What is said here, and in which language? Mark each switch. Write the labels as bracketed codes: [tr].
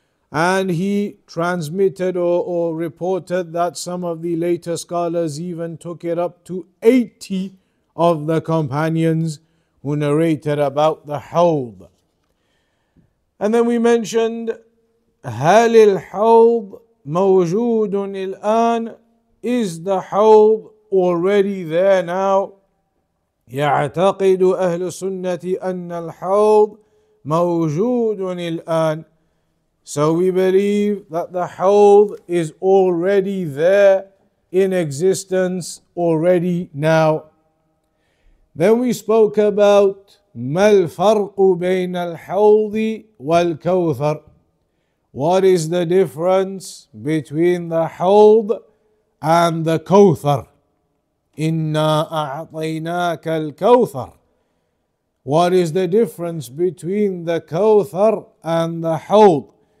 [en] And he transmitted or reported that some of the later scholars even took it up to 80 of the companions who narrated about the Hawḍ. And then we mentioned, [ar] هل الحوض موجود الآن? [en] Is the Hawḍ already there now? [ar] يعتقد أهل السنة أن الحوض موجود الآن. [en] So we believe that the Hawḍ is already there in existence already now. Then we spoke about [ar] ما الفرق بين الحوض والكوثر. [en] What is the difference between the Hawḍ and the Kawthar? [ar] إِنَّا أَعْطَيْنَاكَ الْكَوْثَرِ. [en] What is the difference between the Kawthar and the Hawḍ?